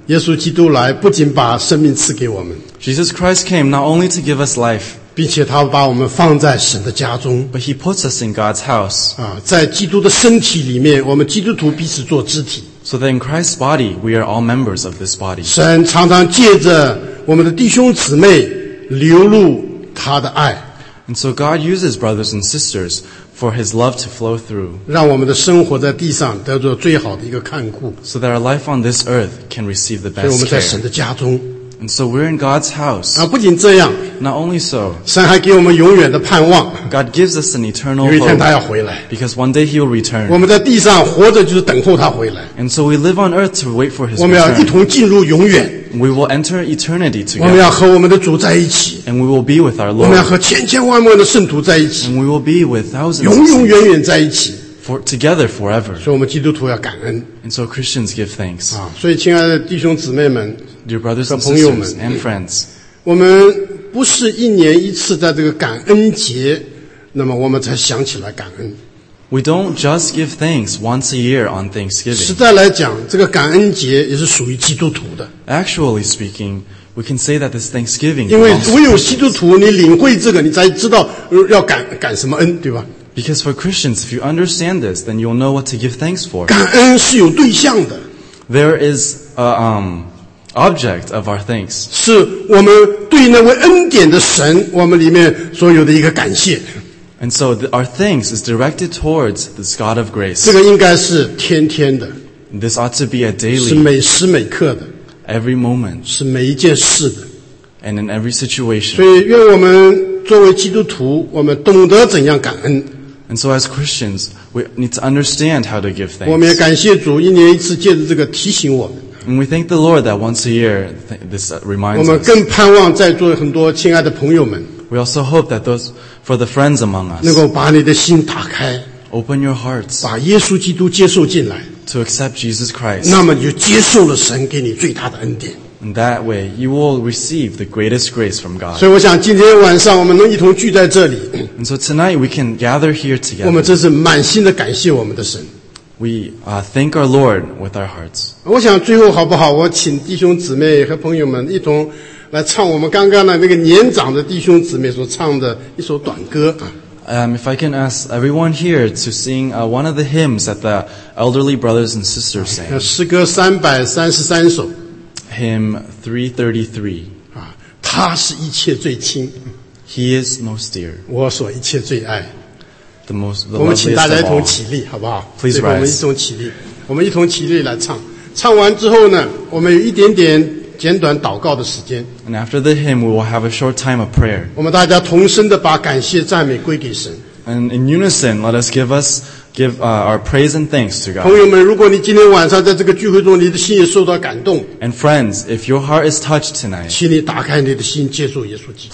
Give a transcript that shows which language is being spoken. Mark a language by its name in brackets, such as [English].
[Chinese] 耶稣基督来不仅把生命赐给我们。 [English] Jesus Christ came not only to give us life. [Chinese] 并且他把我们放在神的家中。 [English] But he puts us in God's house. [Chinese] 在基督的身体里面我们基督徒彼此做肢体。 [English] So that in Christ's body, we are all members of this body. [Chinese] 神常常借着我们的弟兄姊妹流露他的爱。 [English] And so God uses brothers and sisters for his love to flow through. [Chinese] 让我们的生活在地上得到最好的一个看顾。 [English] So that our life on this earth can receive the best care. [Chinese] 所以我们在神的家中。 [English] And so we're in God's house. [Chinese] 不仅这样。 [English] Not only so. [Chinese] 神还给我们永远的盼望。 [English] God gives us an eternal [Chinese] hope. 有一天他要回来。 [English] Because one day he will return. [Chinese] 我们在地上活着就是等候他回来。 [English] And so we live on earth to wait for his return. [Chinese] 我们要一同进入永远。 [English] We will enter eternity together. [Chinese] 我们要和我们的主在一起。 [English] And we will be with our Lord. [Chinese] 我们要和千千万万的圣徒在一起。 [English] And we will be with thousands of saints. [Chinese] 永永远远在一起。 [English] Together forever. [Chinese] 所以我们基督徒要感恩。 [English] And so Christians give thanks. [Chinese] 所以亲爱的弟兄姊妹们。 [English] Dear brothers and sisters and friends, [Chinese] 我们不是一年一次在这个感恩节，那么我们才想起来感恩。 [English] We don't just give thanks once a year on Thanksgiving. [Chinese] 实在来讲，这个感恩节也是属于基督徒的。 [English] Actually speaking, we can say that this Thanksgiving. [Chinese] 因为唯有基督徒，你领会这个，你才知道要感什么恩，对吧？ [English] Because for Christians, if you understand this, then you'll know what to give thanks for. [Chinese] 感恩是有对象的。 [English] There is a object of our thanks. [Chinese] 是我们对那位恩典的神我们里面所有的一个感谢。 [English] And so our thanks is directed towards this God of grace. [Chinese] 这个应该是天天的。 [English] This ought to be a daily. [Chinese] 是每时每刻的。 [English] Every moment. [Chinese] 是每一件事的。 [English] And in every situation. [Chinese] 所以愿我们作为基督徒我们懂得怎样感恩。 [English] And so as Christians we need to understand how to give thanks. [Chinese] 我们也感谢主一年一次借着这个提醒我们。 [English] And we thank the Lord that once a year this reminds us. [Chinese] 我们更盼望在座很多亲爱的朋友们。 [English] We also hope that those for the friends among us. [Chinese] 能够把你的心打开。 [English] Open your hearts. [Chinese] 把耶稣基督接受进来。 [English] To accept Jesus Christ. [Chinese] 那么你就接受了神给你最大的恩典。 [English] And that way, you will receive the greatest grace from God. [Chinese] 所以我想今天晚上我们能一同聚在这里。 [English] And so tonight we can gather here together. [Chinese] 我们真是满心的感谢我们的神。 [English] We thank our Lord with our hearts. [Chinese] 我想最后好不好？我请弟兄姊妹和朋友们一同来唱我们刚刚的那个年长的弟兄姊妹所唱的一首短歌。 [English] If I can ask everyone here to sing one of the hymns that the elderly brothers and sisters sang. [Chinese] 诗歌三百三十三首。 [English] Hymn 333. [Chinese] 他是一切最亲。 [English] He is most dear. [Chinese] 我所一切最爱。 [English] The most, the [Chinese] 我们请大家一同起立好不好 [English] Please rise. [Chinese] 我们一同起立我们一同起立来唱唱完之后呢我们有一点点简短祷告的时间 [English] And after the hymn we will have a short time of prayer [Chinese] 我们大家同声的把感谢赞美归给神 [English] And in unison let us give our praise and thanks to God [Chinese] 朋友们如果你今天晚上在这个聚会中你的心也受到感动 [English] And friends if your heart is touched tonight [Chinese] 请你打开你的心接受耶稣基督